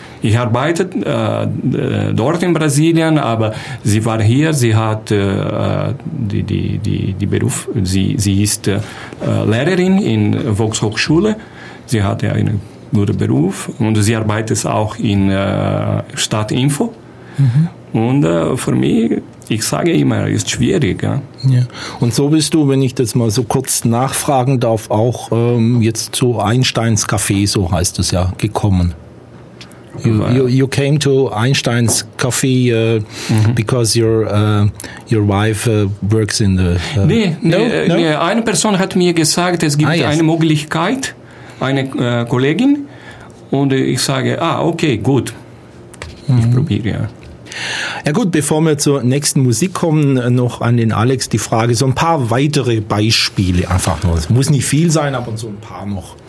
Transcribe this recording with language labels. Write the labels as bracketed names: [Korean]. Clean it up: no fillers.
[German] Ich arbeite dort in Brasilien, aber sie war hier, sie hat die Beruf, sie ist Lehrerin in Volkshochschule, sie hat ja einen guten Beruf und sie arbeitet auch in Stadtinfo. Mhm. Und für mich, ich sage immer, es ist schwierig. Ja? Ja. Und so bist du, wenn ich das mal so kurz nachfragen darf, auch jetzt zu Einsteins Café, so heißt es ja, gekommen. [English] You came to Einstein's Café because your wife works in the... [German] Nee, eine Person hat mir gesagt, es gibt eine Möglichkeit, eine Kollegin. Und ich sage, okay, gut. Mhm. Ich probiere, ja. Ja gut, bevor wir zur nächsten Musik kommen, noch an den Alex die Frage, so ein paar weitere Beispiele einfach nur. Es muss nicht viel sein, aber so ein paar noch.